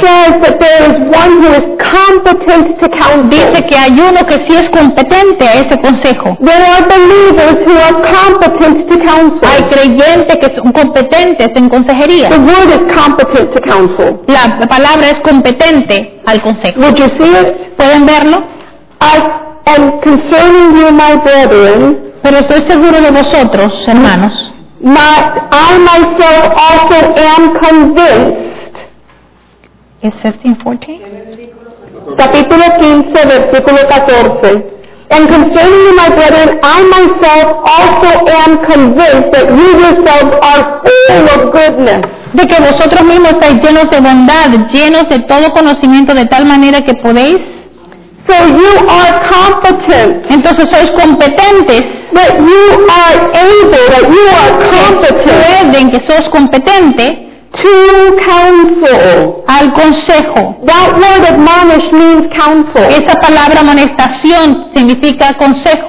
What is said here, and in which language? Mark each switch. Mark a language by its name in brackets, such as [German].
[English] says that there is one who is competent to counsel. [Spanish] Dice que hay uno que sí es competente a ese consejo. [English] There are believers who are competent to counsel. [Spanish] Hay creyentes que son competentes en consejería. [English] The word is competent to counsel. [Spanish] La palabra es competente al consejo. [English] Would you see it? [Spanish] ¿Pueden verlo? [English] I am concerning you, my brethren. [Spanish] Pero estoy seguro de vosotros, hermanos. [English] I myself also am convinced. Is 15:14? [Spanish] Capítulo 15, versículo 14. [English] And concerning you, my brethren, I myself also am convinced that you yourselves are full of goodness. [Spanish] De que vosotros mismos estáis llenos de bondad, llenos de todo conocimiento, de tal manera que podéis. [English] So you are competent. [Spanish] Entonces sois competentes. [English] That you are able, that you are competent. [Spanish] Creen que sos competente. [English] To counsel. [Spanish] Al consejo. [English] That word admonish means counsel. [Spanish] Esa palabra amonestación significa consejo.